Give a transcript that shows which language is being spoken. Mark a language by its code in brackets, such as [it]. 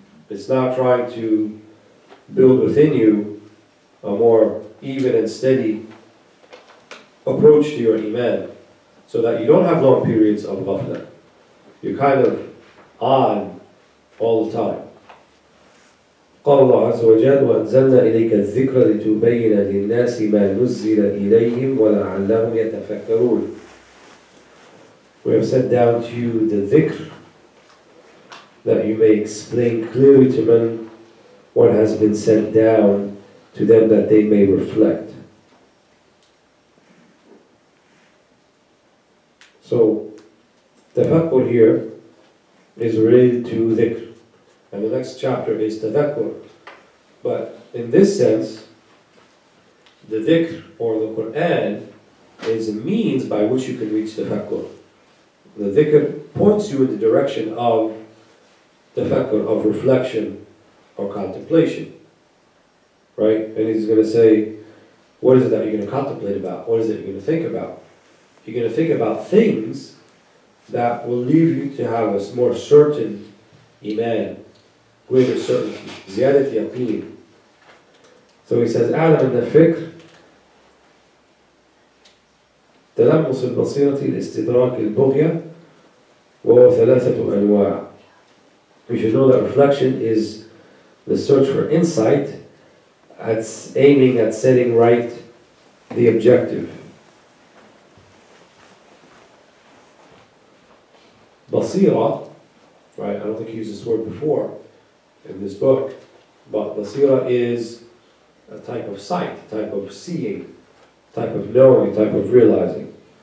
[en] It's now trying to build within you a more even and steady approach to your iman, so that you don't have long periods of ghafla. You're kind of on all the time. [ar] قال الله عز وجل وأنزلنا إليك الذكر لتبين للناس ما نزل إليهم ولعلهم يتفكرون. [en] We have sent down to you the dhikr that you may explain clearly to men what has been sent down to them that they may reflect. So tafakkur here is related to dhikr. And the next chapter is tadhakkur. But in this sense, the dhikr or the Qur'an is a means by which you can reach tadhakkur. The dhikr points you in the direction of tadhakkur, of reflection or contemplation. Right? And he's going to say, what is it that you're going to contemplate about? What is it you're going to think about? you're going to think about things that will lead you to have a more certain iman, greater certainty, ziyadat yaqeen. So he says, [ar] أعلم أن الفكر تلمس البصيرة لاستدراك البغية وهو ثلاثة أنواع. [en] We should know that reflection is the search for insight, at aiming at setting right the objective. Basira, right, I don't think he used this word before in this book, but basira is a type of sight, a type of seeing, a type of knowing, a type of realizing.